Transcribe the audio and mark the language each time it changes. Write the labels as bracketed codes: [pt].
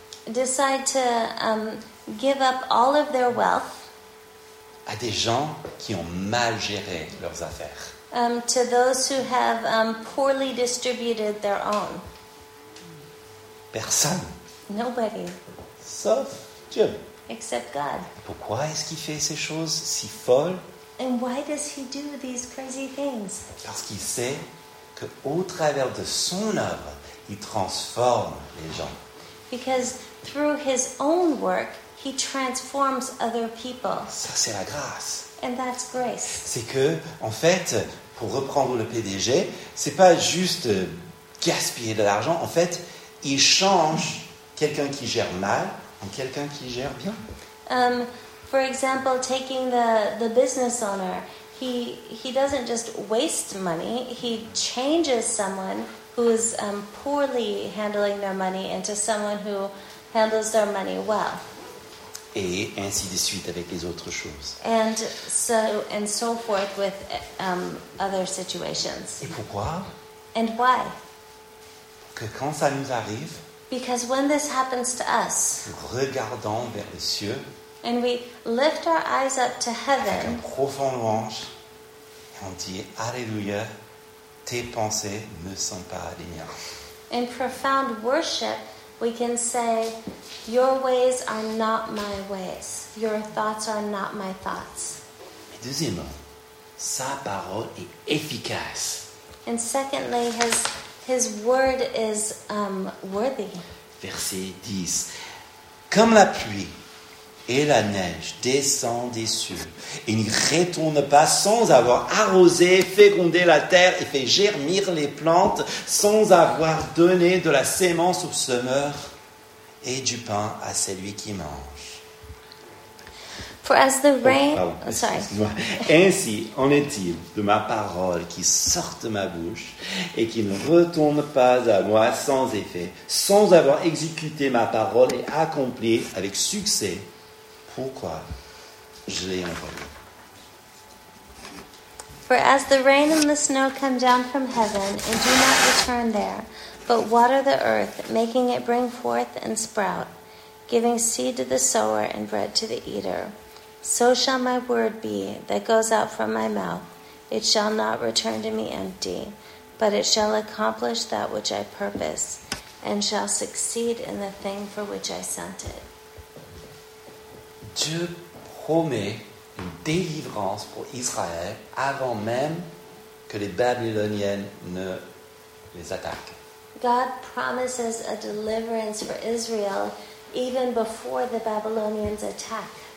[en] decide to give up all of their wealth [fr] à des gens qui ont mal géré leurs affaires. [en] To those who have poorly distributed their own. [fr] Personne. [en] Nobody. [fr] Sauf Dieu. [en] Except God. [fr] Pourquoi est-ce qu'il fait ces choses si folles? [en] And why does he do these crazy things? [fr] Parce qu'il sait qu'au travers de son œuvre, il transforme les gens. [en] Because through his own work, he transforms other people. [fr] Ça, c'est la grâce. [en] And that's grace. [fr] C'est que, en fait, pour reprendre le PDG, c'est pas juste gaspiller de l'argent. En fait, il change quelqu'un qui gère mal en quelqu'un qui gère bien. [en] For example, taking the business owner, he doesn't just waste money, he changes someone who is poorly handling their money into someone who handles their money well. [fr] Et ainsi de suite avec les autres choses. [en] And so forth with other situations. [fr] Et pourquoi? [en] And why? [fr] Que quand ça nous arrive, [en] because when this happens to us, [fr] regardons vers les cieux, [en] and we lift our eyes up to heaven, [fr] avec un profond louange, et on dit Alléluia, tes pensées ne sont pas les miens. [en] In profound worship, we can say, your ways are not my ways. Your thoughts are not my thoughts. [fr] Mais deuxièmement, sa parole est efficace. [en] And secondly, his word is worthy. [fr] Verset 10. Comme la pluie et la neige descendent des cieux et n'y retournent pas sans avoir arrosé, fécondé la terre et fait germir les plantes, sans avoir donné de la sémence au semeur et du pain à celui qui mange. [en] For as the rain... [fr] Ainsi en est-il de ma parole qui sort de ma bouche et qui ne retourne pas à moi sans effet, sans avoir exécuté ma parole et accompli avec succès pourquoi je l'ai envoyé. [en] For as the rain and the snow come down from heaven and do not return there, but water the earth, making it bring forth and sprout, giving seed to the sower and bread to the eater, so shall my word be that goes out from my mouth. It shall not return to me empty, but it shall accomplish that which I purpose and shall succeed in the thing for which I sent it. [fr] Dieu promet une délivrance pour Israël avant même que les Babyloniennes ne les attaquent. God promises a deliverance for Israel even before the Babylonians attack.